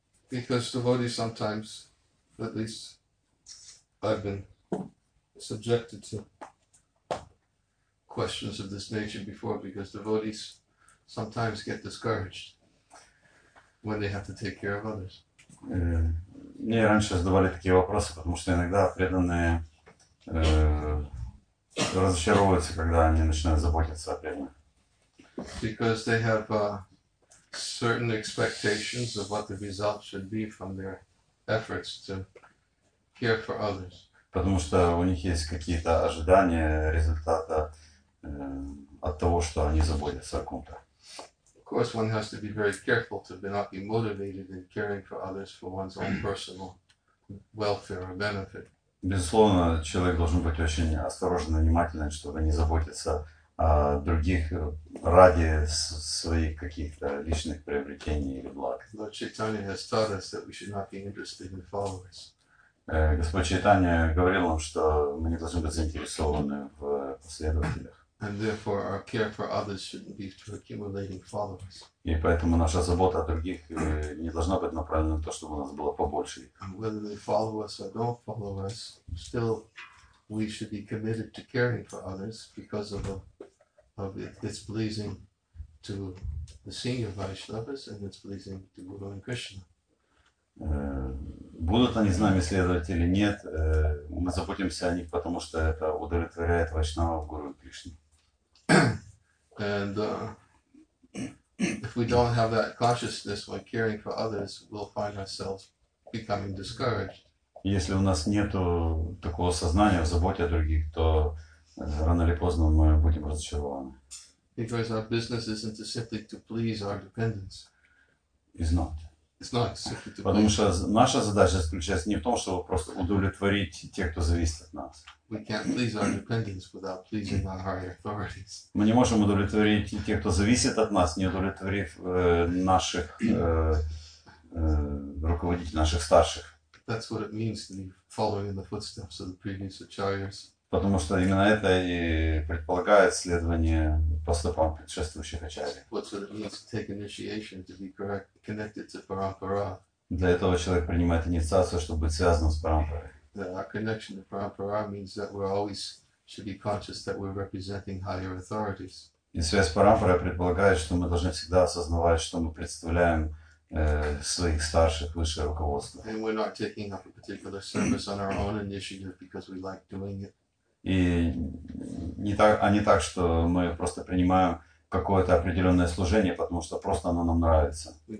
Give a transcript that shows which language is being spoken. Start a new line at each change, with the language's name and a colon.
English: Because devotees sometimes, at least I've been subjected to questions of this nature before, because devotees sometimes get discouraged when they have to take care of others.
Russian: Не раньше задавали такие вопросы, потому что иногда преданные разочаровываются, когда они начинают заботиться о преданных.
English: Because they have certain expectations of what the result should be from their efforts to care for others.
Russian: Потому что у них есть какие-то ожидания результата от того, что они заботятся о ком-то.
English: Of course, one has to be very careful to not be motivated in caring for others for one's own personal welfare or benefit.
Russian: Безусловно, человек должен быть очень осторожен и внимателен, чтобы не заботиться о других ради своих каких-то личных приобретений или благ.
English: Lord Chaitanya has taught us that we should not be interested in followers.
Russian: Господь Чайтанья говорил нам, что мы не должны быть заинтересованы в последователях.
English: And therefore, our care for others shouldn't be to accumulating followers.
Russian: И поэтому наша забота о других не должна быть направлена на то, чтобы у нас было побольше.
English: And whether they follow us or don't follow us, still we should be committed to caring for others because of it's pleasing to the senior Vaishnavas and it's pleasing to Guru and Krishna.
Russian: Будут они с нами следовать или нет, мы заботимся о них, потому что это удовлетворяет Вайшнава, Гуру и Кришну.
English: And If we don't have that consciousness when caring for others, we'll find ourselves becoming discouraged.
Russian: Если у нас нету такого сознания в заботе о других, то рано или поздно мы будем разочарованы.
English: Because our business isn't to simply to please our dependents. It's not. It's not simply to please.
Russian: Потому что наша задача заключается не в том, чтобы просто удовлетворить тех, кто зависит от нас.
English: We can't please our dependents without pleasing our higher authorities.
Russian: Мы не можем удовлетворить тех, кто зависит от нас, не удовлетворив наших руководителей, наших старших.
English: That's what it means to be following in the footsteps of the previous acharyas.
Russian: Потому что именно это и предполагает следование по стопам предшествующих ачарий.
English: What's what it means to take initiation to be connected to Parampara?
Russian: Для этого человек принимает инициацию, чтобы быть связанным с Парампарой.
English: That our connection to Parampara means that we always should be conscious that we're representing higher authorities.
Russian: И связь с Парампарой предполагает, что мы должны всегда осознавать, что мы представляем своих старших, высшее руководство.
English: And we're not taking up a particular service on our own initiative because we like doing it.
Russian: И не так, а не так, что мы просто принимаем какое-то определенное служение, потому что просто оно нам нравится.